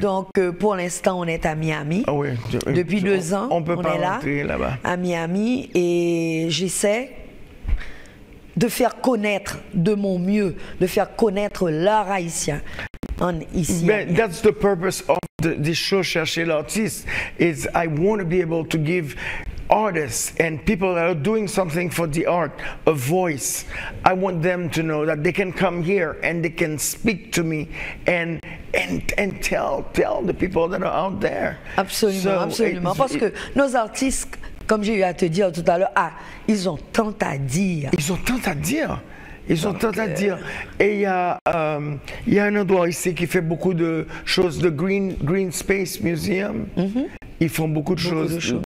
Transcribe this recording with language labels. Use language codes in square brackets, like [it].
[fr] Donc, pour l'instant, on est à Miami. Ah oui. Depuis deux ans, on peut on pas est rentrer là, là-bas. À Miami. Et j'essaie de faire connaître de mon mieux, de faire connaître l'art haïtien en ici. [en] Ben, that's the purpose of the show, Chercher l'artiste. Is I want to be able to give artists and people that are doing something for the art, a voice. I want them to know that they can come here and they can speak to me and tell the people that are out there. [fr] Absolument, so absolument. Parce que nos artistes, comme j'ai eu à te dire tout à l'heure, ils ont tant à dire. Ils ont tant à dire. Ils ont tant à dire. Et il y a un endroit ici qui fait beaucoup de choses, le Green Space Museum. Mm-hmm. Ils font beaucoup de choses.